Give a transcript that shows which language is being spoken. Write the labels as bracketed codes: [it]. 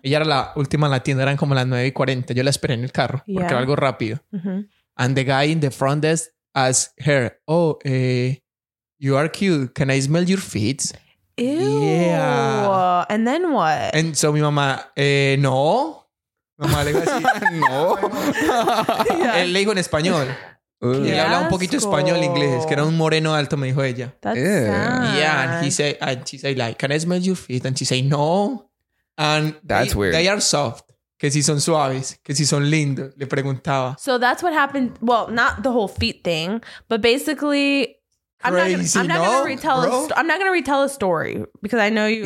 [es] Ella era la última en la tienda, eran como las 9:40. Yo la esperé en el carro porque era algo rápido. Mm-hmm. [en] And the guy in the front desk asked her, "Oh, you are cute. Can I smell your feet?" Ew. Yeah. And then what? And so [es] mi mamá, no. Mamá le dijo así, no. Él le dijo en español. Y él hablaba un poquito español inglés, que era un moreno alto, me dijo ella. [en] That's Yeah, and he said, and she said, like, can I smell your feet? And she said, no. And that's they, weird. They are soft. [es] Que si son suaves, que si son lindos, le preguntaba. [en] So that's what happened. Well, not the whole feet thing, but basically, I'm not gonna retell a story because I know you.